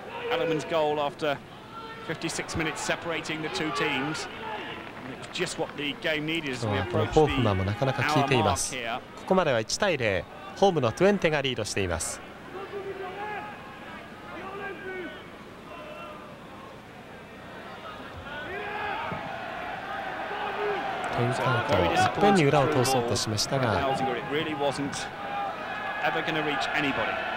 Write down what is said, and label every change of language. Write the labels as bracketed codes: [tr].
[en] Adamans goal after 56 minutes separating the two teams. It was just what the game needed as we approached the hour mark here. [ja] ここまでは1対0、ホームのトゥエンテがリードしています。テンカウント、いっぺんに裏を通そうとしましたが、 [en] It really wasn't ever going to reach anybody.